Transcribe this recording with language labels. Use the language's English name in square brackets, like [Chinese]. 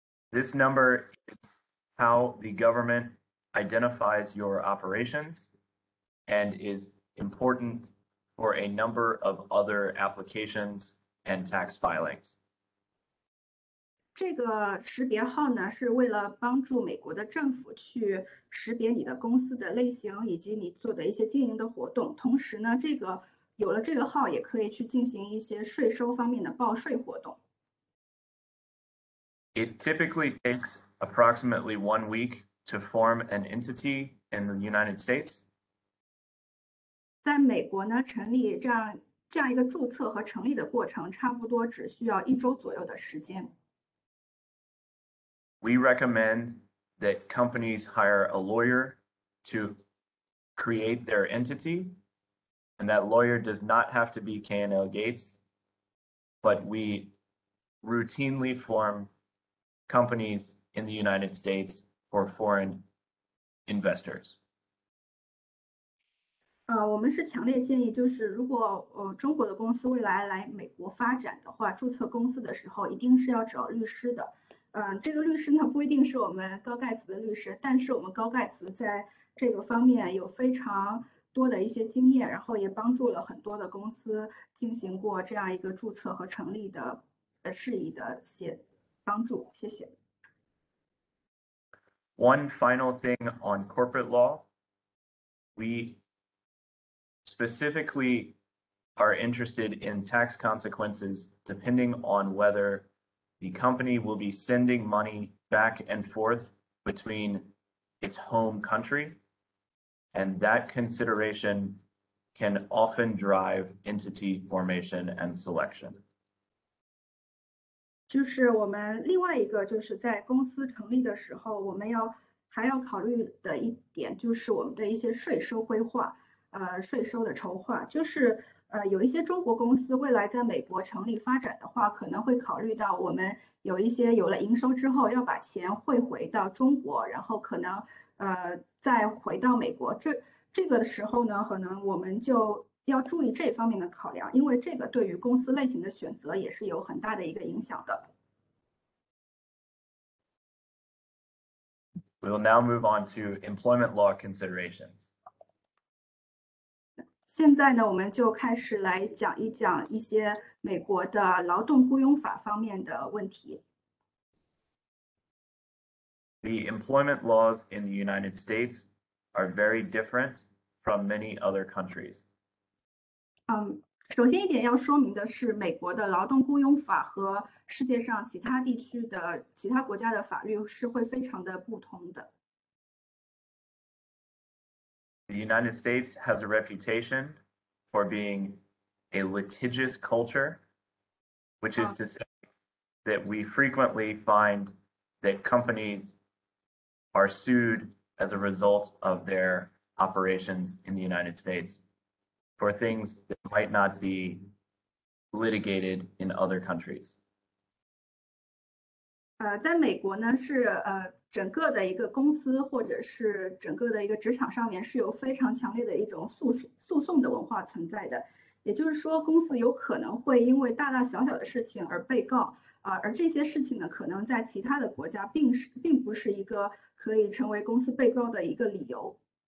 [English] This number is how the government identifies your operations and is important for a number of other applications and tax filings. [Chinese] 这个识别号呢，是为了帮助美国的政府去识别你的公司的类型以及你做的一些经营的活动。同时呢，这个有了这个号也可以去进行一些税收方面的报税活动。 [English] It typically takes approximately 1 week to form an entity in the United States. [Chinese] 在美国呢，成立这样一个注册和成立的过程，差不多只需要一周左右的时间。 [English] We recommend that companies hire a lawyer to create their entity, and that lawyer does not have to be K&L Gates, but we routinely form companies in the United States for foreign investors. [Chinese] 我们是强烈建议，就是如果中国的公司未来来美国发展的话，注册公司的时候一定是要找律师的。这个律师呢不一定是我们高盖茨的律师，但是我们高盖茨在这个方面有非常多的一些经验，然后也帮助了很多的公司进行过这样一个注册和成立的事宜的协帮助。谢谢。 [English] One final thing on corporate law, we specifically are interested in tax consequences depending on whether. The company will be sending money back and forth between its home country, and that consideration can often drive entity formation and selection. [Chinese] 就是我们另外一个就是在公司成立的时候，我们还要考虑的一点就是我们的一些税收规划，税收的筹划，就是。有一些中国公司未来在美国成立发展的话，可能会考虑到我们有一些有了营收之后要把钱汇回到中国，然后可能再回到美国。这个的时候呢，可能我们就要注意这方面的考量，因为这个对于公司类型的选择也是有很大的一个影响的。 [English] We will now move on to employment law considerations. [Chinese] 现在呢，我们就开始来讲一讲一些美国的劳动雇佣法方面的问题。 [English] The employment laws in the United States are very different from many other countries. [Chinese] 首先一点要说明的是，美国的劳动雇佣法和世界上其他地区的其他国家的法律是会非常的不同的。 [English] The United States has a reputation for being a litigious culture, which is to say that we frequently find that companies are sued as a result of their operations in the United States for things that might not be litigated in other countries. [Chinese] 在美国呢是整个的一个公司或者是整个的一个职场上面是有非常强烈的一种诉讼的文化存在的，也就是说公司有可能会因为大大小小的事情而被告，而这些事情呢可能在其他的国家并不是一个可以成为公司被告的一个理由。